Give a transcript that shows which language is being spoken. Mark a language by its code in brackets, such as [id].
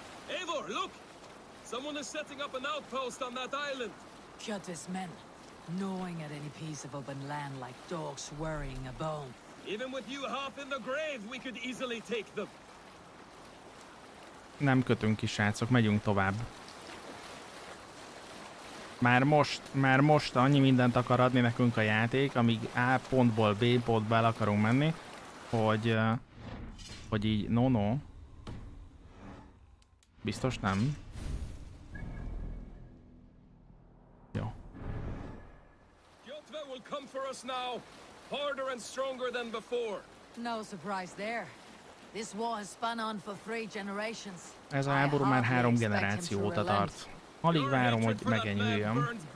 [en] Eivor, look! Someone is setting up an outpost on that island. Cut this man. Gnawing at any piece of open land like dogs worrying a bone. Even with you half in the grave, we could easily take them. [hu] Nem kötünk ki, srácok, megyünk tovább. Már most annyi mindent akar adni nekünk a játék, amíg A pontból B pontba el akarunk menni, hogy így no. Biztos nem. Jó. [en] Jotve will come for us now, harder and stronger than before. No surprise there. This war has spun on for three generations. [hu] Ez a háború már három generáció óta tart. Alig várom, hogy megenyüljön.